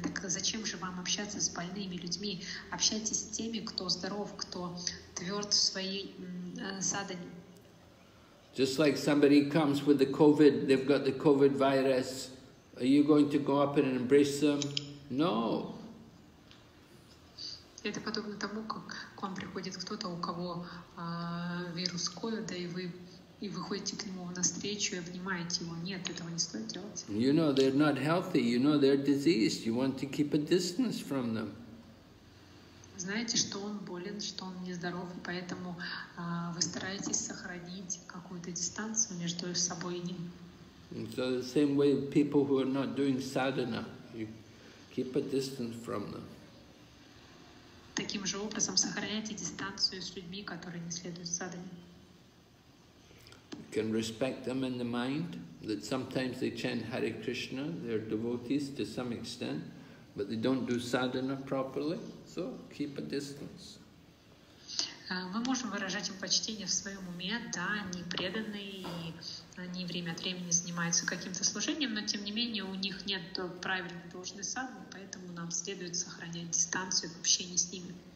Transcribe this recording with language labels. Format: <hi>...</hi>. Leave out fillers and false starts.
<ru>Так зачем же вам общаться с больными людьми? Общайтесь с теми, кто здоров, кто тверд в своей садхане.</ru> <en>Just like somebody comes with the COVID, they've got the COVID virus. Are you going to go up and embrace them? No.</en> <ru>Это подобно тому, как к вам приходит кто-то, у кого вирус COVID, да, и вы ходите к нему навстречу и обнимаете его. Нет, этого не стоит делать.</ru> <en>You know they're not healthy. You know they're diseased. You want to keep a distance from them.</en> <ru>Знаете, что он болен, что он нездоров, и поэтому вы стараетесь сохранить какую-то дистанцию между собой и ним.</ru> <en>And so the same way people who are not doing sadhana, you keep a distance from them.</en> <ru>Таким же образом сохраняйте дистанцию с людьми, которые не следуют садхане.</ru> <en>You can respect them in the mind, that sometimes they chant Hare Krishna, they're devotees to some extent, but they don't do sadhana properly, so keep a distance.</en> <ru>Мы можем выражать им почтение в своем уме, да, они преданные, и они время от времени занимаются каким-то служением, но тем не менее у них нет правильной должной садханы, поэтому нам следует сохранять дистанцию в общении с ними.</ru>